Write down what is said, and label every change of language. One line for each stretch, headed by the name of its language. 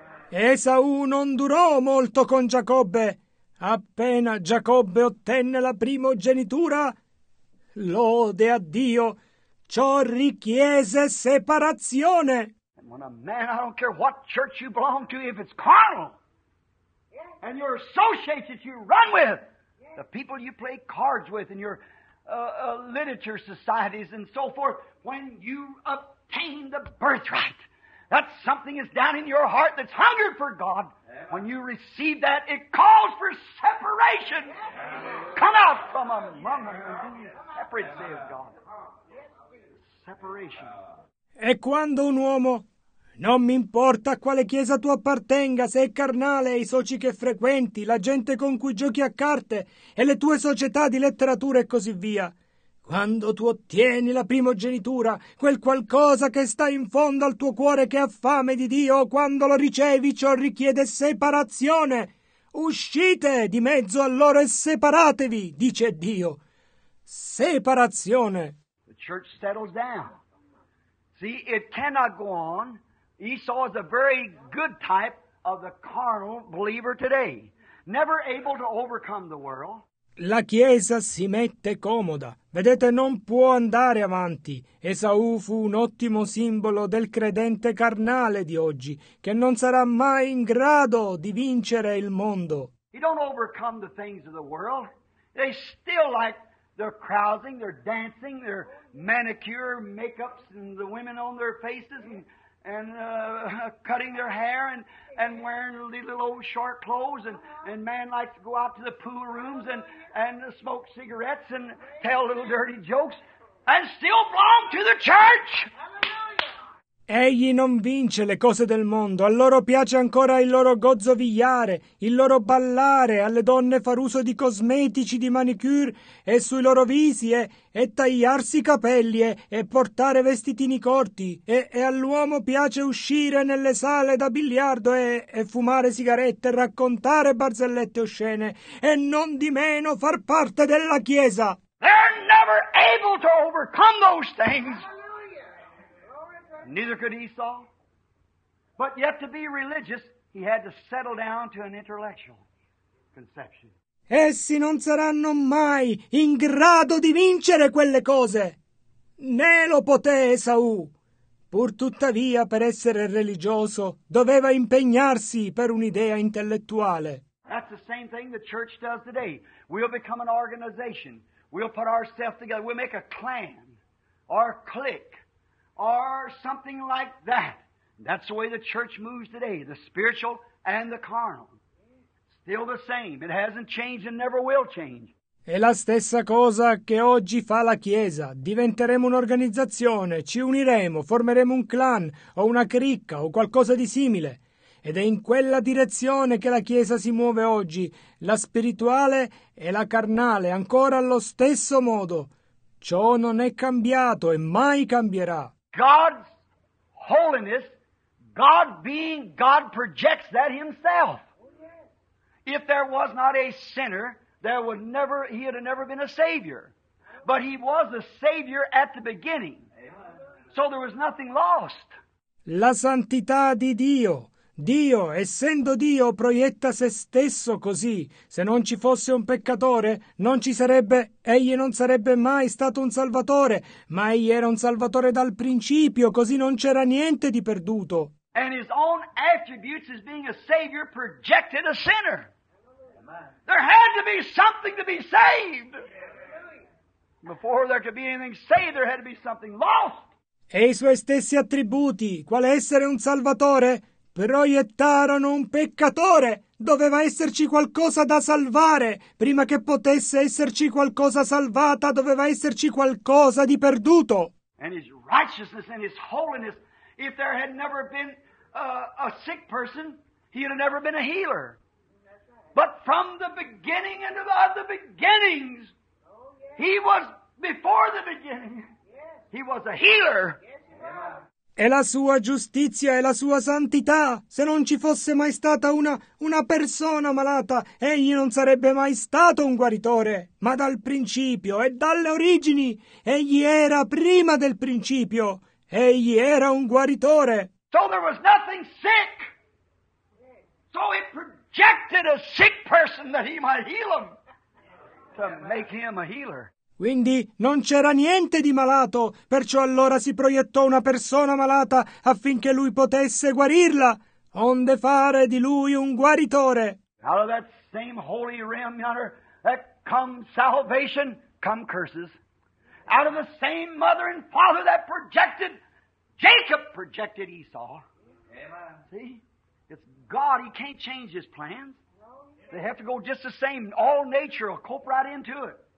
Italian: Esau non durò molto con Giacobbe. Appena Giacobbe ottenne la primogenitura, lode a Dio, ciò richiese separazione.
English: When a man, I don't care what church you belong to, if it's carnal, and your associates you run with, the people you play cards with, and your literature societies and so forth, when you obtain the birthright, that something is down in your heart that's hungered for God. When you receive that, it calls for separation. Come out from among them and be separate, say of God. Separation.
Italian: E quando un uomo, non mi importa a quale chiesa tu appartenga, se è carnale, i soci che frequenti, la gente con cui giochi a carte e le tue società di letteratura e così via, quando tu ottieni la primogenitura, quel qualcosa che sta in fondo al tuo cuore che ha fame di Dio, quando lo ricevi, ciò richiede separazione. Uscite di mezzo a loro e separatevi, dice Dio. Separazione.
English: The church settles down. See, it cannot go on. Esau is a very good type of the carnal believer today. never able to overcome the world.
Italian: La Chiesa si mette comoda. Vedete, non può andare avanti. Esaù fu un ottimo simbolo del credente carnale di oggi, che non sarà mai in grado di vincere il mondo.
English: He don't overcome the things of the world. They still like their crowding, their dancing, their manicure, makeups, and the women on their faces, and cutting their hair, and wearing little old short clothes, and man likes to go out to the pool rooms and smoke cigarettes and tell little dirty jokes, and still belong to the church.
Italian: Egli non vince le cose del mondo, a loro piace ancora il loro gozzo vigliare, il loro ballare, alle donne far uso di cosmetici, di manicure e sui loro visi e tagliarsi i capelli e portare vestitini corti e all'uomo piace uscire nelle sale da biliardo e fumare sigarette, raccontare barzellette oscene e non di meno far parte della Chiesa.
English: They're never able to overcome those things. Neither could Esau. But yet to be religious, he had to settle down to an intellectual conception.
Italian: Essi non saranno mai in grado di vincere quelle cose. Né lo poté Esaù. Pur tuttavia, per essere religioso, doveva impegnarsi per un'idea intellettuale.
English: That's the same thing the church does today. We'll become an organization. We'll put ourselves together. We'll make a clan or a clique. Or something like that. That's the way the church moves today, the spiritual and the carnal. Still the same. It hasn't changed and never will change.
Italian: È la stessa cosa che oggi fa la Chiesa. Diventeremo un'organizzazione, ci uniremo, formeremo un clan o una cricca o qualcosa di simile. Ed è in quella direzione che la Chiesa si muove oggi, la spirituale e la carnale, ancora allo stesso modo. Ciò non è cambiato e mai cambierà.
English: God's holiness, God being, God projects that himself. If there was not a sinner, he had never been a savior. But he was a savior at the beginning. So there was nothing lost.
Italian: La santità di Dio. Dio, essendo Dio, proietta se stesso così. Se non ci fosse un peccatore, non ci sarebbe, egli non sarebbe mai stato un salvatore, ma egli era un salvatore dal principio, così non c'era niente di perduto.
English: And his own attributes as being a savior projected a sinner. There had to be something to be saved. Before there could be anything saved, there had to be something lost.
Italian: E i suoi stessi attributi, quale essere un salvatore? Proiettarono un peccatore. Doveva esserci qualcosa da salvare. Prima che potesse esserci qualcosa salvata, doveva esserci qualcosa di perduto.
English: And his righteousness and his holiness, if there had never been a sick person, he had never been a healer. But from the beginning and of the beginnings, he was before the beginning, he was a healer.
Italian: E la sua giustizia e la sua santità. Se non ci fosse mai stata una persona malata, egli non sarebbe mai stato un guaritore. Ma dal principio e dalle origini, egli era prima del principio. Egli era un guaritore.
English: So there was nothing sick. So it projected a sick person that he might heal him. To make him a healer.
Italian: Quindi non c'era niente di malato, perciò allora si proiettò una persona malata affinché lui potesse guarirla, onde fare di lui un guaritore.
English: Out of that same holy realm, yonder, that come salvation, come curses. Out of the same mother and father that projected, Jacob projected Esau. Amen. See? It's God, he can't change his plans. They have to go just the same, all nature will cope right into it.